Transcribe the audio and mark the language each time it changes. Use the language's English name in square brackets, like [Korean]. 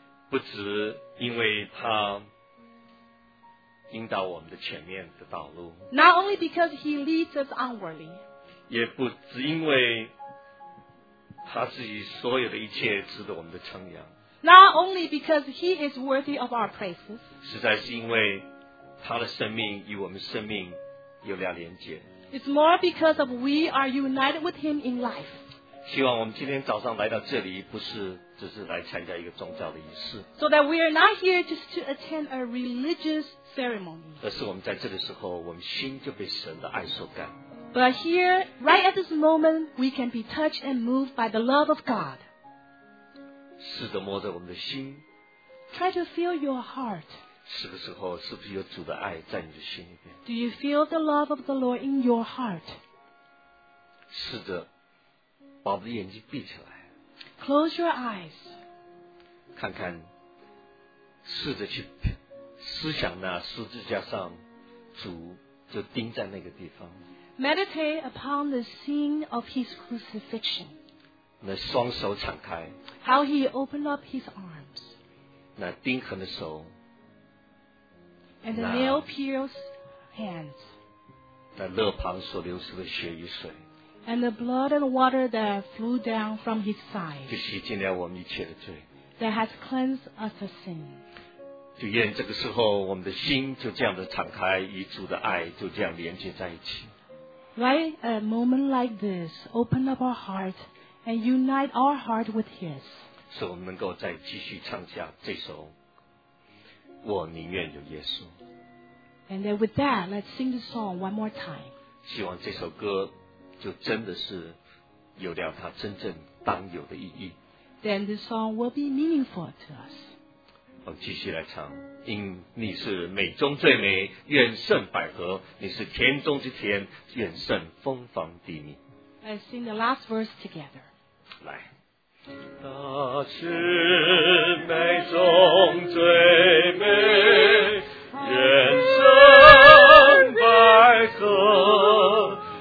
[Chinese] 不只因为他引导我们的前面的道路。 [English] Not only because he leads us onwardly. [Chinese] 也不只因为他自己所有的一切值得我们的称扬。 [English] Not only because he is worthy of our praises. [Chinese] 实在是因为他的生命与我们生命有了连结。 [English] It's more because of we are united with him in life. [Chinese] 希望我们今天早上来到这里不是只是来参加一个宗教的仪式。 [English] So that we are not here just to attend a religious ceremony. [Chinese] 而是我们在这个时候我们心就被神的爱所感。 [English] But here, right at this moment, we can be touched and moved by the love of God. [Chinese] 试着摸着我们的心。 [English] Try to feel your heart. [Chinese] 是的时候是不是有主的爱在你的心里面 [English] Do you feel the love of the Lord in your heart? [Chinese] 试着把我们的眼睛闭起来 [English] Close your eyes [Chinese] 看看试着去思想那十字架上主就钉在那个地方 [English] Meditate upon the scene of his crucifixion [Chinese] 那双手敞开 [English] How he opened up his arms [Chinese] 那钉痕的手 [English] And the nail-pierced hands. [Chinese] 那肋旁所流出的血与水 [English] And the blood and water that flew down from his side. [Chinese] 就洗净了我们一切的罪 [English] That has cleansed us of sin. [Chinese] 就愿这个时候我们的心就这样的敞开与主的爱就这样连接在一起 [English] Right, a moment like this, open up our heart and unite our heart with his. [Chinese] 使我们能够再继续唱下这首我宁愿有耶稣。 [English] And then with that, let's sing the song one more time. [Chinese] 希望这首歌就真的是有了它真正当有的意义。 [English] Then this song will be meaningful to us. [Chinese] 我继续来唱，因你是美中最美，远胜百合，你是天中之天，远胜蜂房地蜜。 [English] Let's sing the last verse together. [Chinese] 来。那是美中最美，远胜百合。